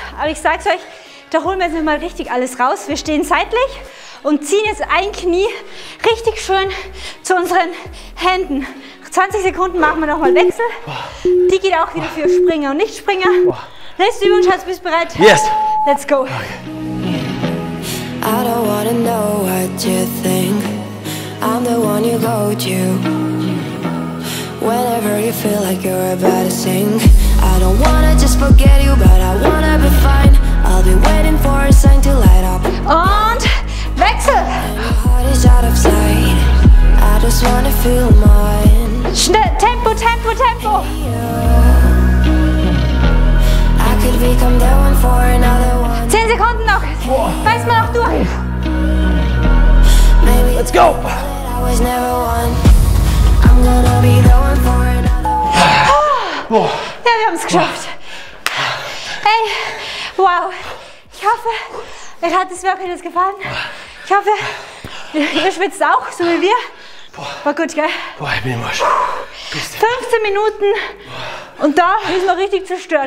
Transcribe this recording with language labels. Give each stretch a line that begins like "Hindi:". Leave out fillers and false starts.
German: ich sag's euch, da holen wir jetzt nochmal richtig alles raus. Wir stehen seitlich und ziehen jetzt ein Knie richtig schön zu unseren Händen. 20 Sekunden machen wir nochmal Wechsel. Die geht auch wieder für Springer und Nichtspringer. Letzte Übung, Schatz, bist du bereit?
English: Yes. Let's go. Okay. I don't wanna know what you think. I'm the one you go to. Whenever you feel like you're about to sink. I don't wanna just forget you, but I wanna be fine. I'll be waiting for a sign to light up.
German: Und Wechsel.
English: My heart is out of sight. I just wanna feel mine.
German: Schnell, Tempo, Tempo, Tempo.
English: I could become that one for another one.
German: 10 Sekunden noch. Weiß mal noch durch.
English: Maybe let's go. I was never one. I'm gonna be the one for another
German: one. Ja, wir haben es geschafft. Hey. Wow, ich hoffe, euch hat das Workout jetzt gefallen. Ich hoffe, ihr schwitzt auch, so wie wir. War gut, gell? Boah, ich bin im Arsch. 15 Minuten und da ist man richtig zerstört.